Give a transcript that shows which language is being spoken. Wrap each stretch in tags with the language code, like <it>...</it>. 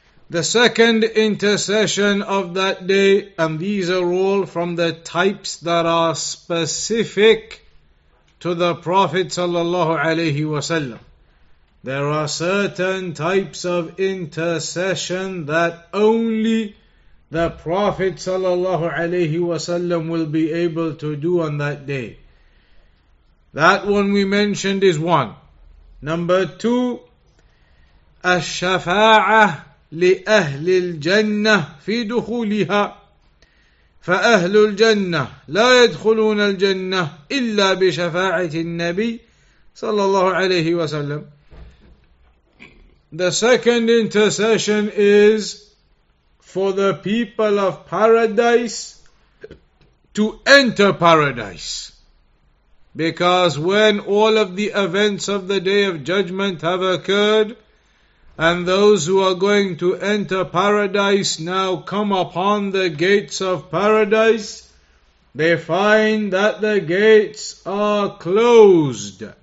<en>The second intercession of that day, and these are all from the types that are specific to the Prophet sallallahu alaihi wasallam. There are certain types of intercession that only the Prophet sallallahu alaihi wasallam will be able to do on that day. That one we mentioned is one. Number two,</en> <ar>ash-shafa'ah لأهل الجنة في دخولها فأهل الجنة لا يدخلون الجنة إلا بشفاعة النبي صلى الله عليه وسلم.</ar> <en>The second intercession is for the people of paradise to enter paradise, because when all of the events of the Day of Judgment have occurred and those who are going to enter paradise now come upon the gates of paradise, they find that the gates are closed.</en>